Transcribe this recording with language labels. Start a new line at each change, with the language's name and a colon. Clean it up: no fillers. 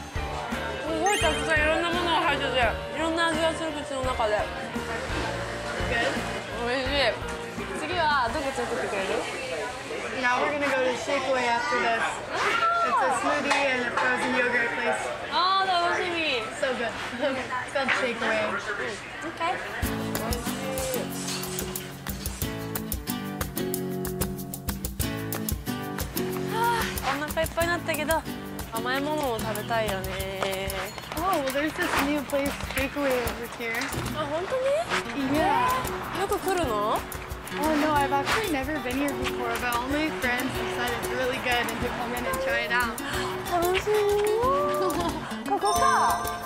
Japanese: いろんな味がする口の中で美味しい次はどこ連れてくれる
English: Now we're gonna go to Shapeway after this It's a smoothie and a frozen yogurt place
Japanese: あー楽しみ
English: So good It's called Shapeway
Japanese: Okay美味しいお腹いっぱいになったけど甘いものも食べたいよね
English: Oh, well, there's this new place, Takeaway, over here. Oh, really? Yeah.
Japanese: よく来るの?
English: Oh, no, I've actually never been here before, but all my friends have said it's really good and to come in and try it out.
Japanese: 楽しい。ここか。